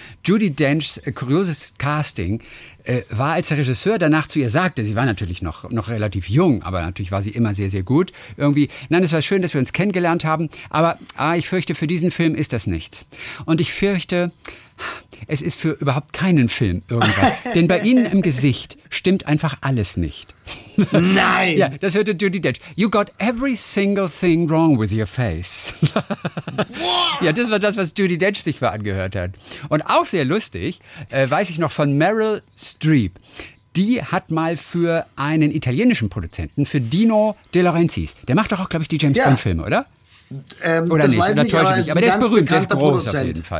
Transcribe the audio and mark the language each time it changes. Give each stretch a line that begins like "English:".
German: Judi Denchs kurioses Casting war, als der Regisseur danach zu ihr sagte, sie war natürlich noch relativ jung, aber natürlich war sie immer sehr, sehr gut. Irgendwie, nein, es war schön, dass wir uns kennengelernt haben, aber ich fürchte, für diesen Film ist das nichts. Und ich fürchte, es ist für überhaupt keinen Film irgendwas. Denn bei Ihnen im Gesicht stimmt einfach alles nicht. Nein! Ja, das hörte Judi Dench.
English: You got every single thing wrong with your face.
German: Ja, das war das, was Judi Dench sich mal angehört hat. Und auch sehr lustig, weiß ich noch von Meryl Streep. Die hat mal für einen italienischen Produzenten, für Dino De Laurentiis, der macht doch auch, glaube ich, die James-Bond-Filme, oder? Oder das nicht, weiß ich nicht, aber der ist berühmt, der ist groß auf jeden Fall.